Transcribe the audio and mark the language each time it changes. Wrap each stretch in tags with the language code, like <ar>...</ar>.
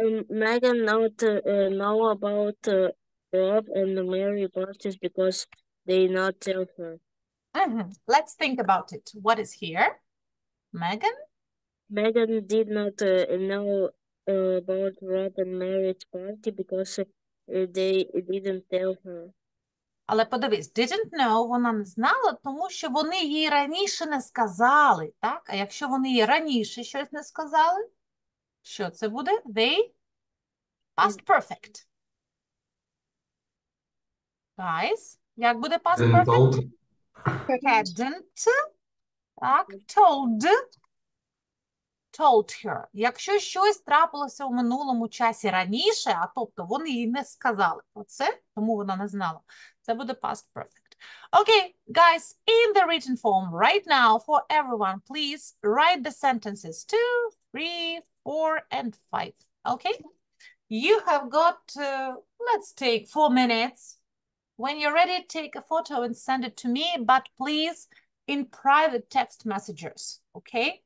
<en>Megan not know about Rob and Mary parties because they not tell her. Let's think about it. What is here? Megan? Megan did not know about Rob and Mary's party because they didn't tell her.</en> <uk>Але подивись,</uk> <en>didn't know,</en> <uk>вона не знала, тому що вони їй раніше не сказали, так? А якщо вони їй раніше щось не сказали, що це буде?</uk> <en>They? Past perfect.</en> <uk>Guys, як буде past perfect?</uk> <en>Didn't told. Hadn't.</en> <uk>Так,</uk> <en>told. Told her.</en> <uk>Якщо щось трапилося у минулому часі раніше, а тобто вони їй не сказали про це, тому вона не знала. Це буде past perfect.</uk> <en>Okay, guys, in the written form right now for everyone, please write the sentences 2, 3, 4, and 5. Okay? You have got to, let's take 4 minutes. When you're ready, take a photo and send it to me, but please in private text messages, okay?</en>